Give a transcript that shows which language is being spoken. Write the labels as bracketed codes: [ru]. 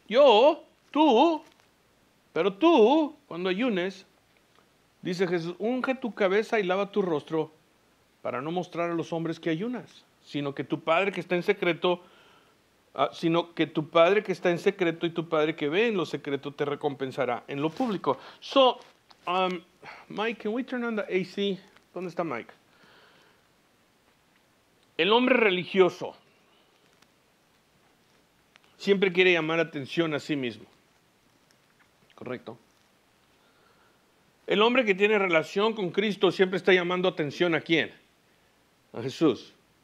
[es] Yo, tú. Pero tú, cuando ayunes, dice Jesús, unge tu cabeza y lava tu rostro para no mostrar a los hombres que ayunas, sino que tu Padre que está en secreto, y tu Padre que ve en lo secreto te recompensará en lo público. [en] So, Mike, can we turn on the AC? [es] ¿Dónde está Mike? El hombre religioso siempre quiere llamar atención a sí mismo. Correcto. El hombre que tiene relación con Cristo siempre está llamando atención ¿a quién? A Jesús.